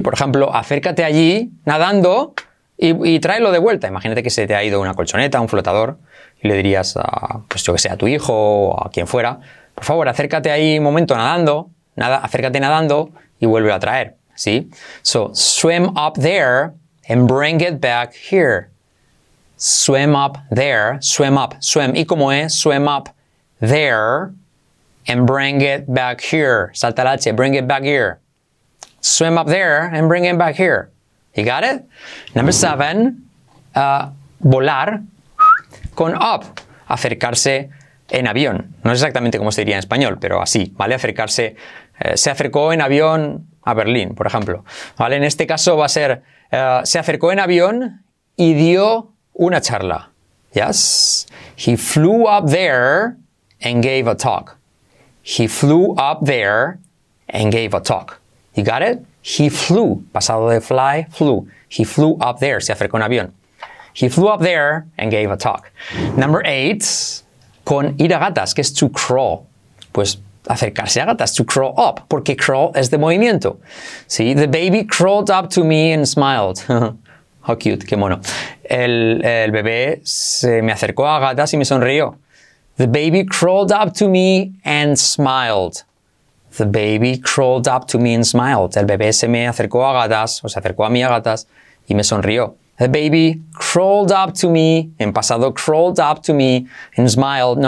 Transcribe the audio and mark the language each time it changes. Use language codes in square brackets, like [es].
[es] Por ejemplo, acércate allí nadando y tráelo de vuelta. Imagínate que se te ha ido una colchoneta, un flotador, y le dirías a, pues yo que sé, a tu hijo o a quien fuera, por favor, acércate ahí un momento nadando, acércate nadando y vuelve a traer. ¿Sí? [en] So, swim up there and bring it back here. Swim up there, swim up, swim. [es] ¿Y cómo es? [en] Swim up there. And bring it back here. [es] Salta la H, [en] bring it back here. Swim up there and bring it back here. You got it? Number seven, [es] volar con up. Acercarse en avión. No es exactamente como se diría en español, pero así, ¿vale? Acercarse, se acercó en avión a Berlín, por ejemplo. ¿Vale? En este caso va a ser, se acercó en avión y dio una charla. [en] Yes? He flew up there and gave a talk. He flew up there and gave a talk. You got it? He flew. [es] Pasado de fly, [en] flew. He flew up there. [es] Se acercó un avión. [en] He flew up there and gave a talk. Number eight, [es] con ir a gatas, que es [en] to crawl. Pues acercarse a gatas, to crawl up, porque crawl es de movimiento. ¿Sí? The baby crawled up to me and smiled. How cute, [es] qué mono. El bebé se me acercó a gatas y me sonrió. [en] The baby crawled up to me and smiled. The baby crawled up to me and smiled. [es] El bebé se me acercó a gatas, o se acercó a mí a gatas, y me sonrió. [en] The baby crawled up to me, [es] en pasado, [en] crawled up to me and smiled.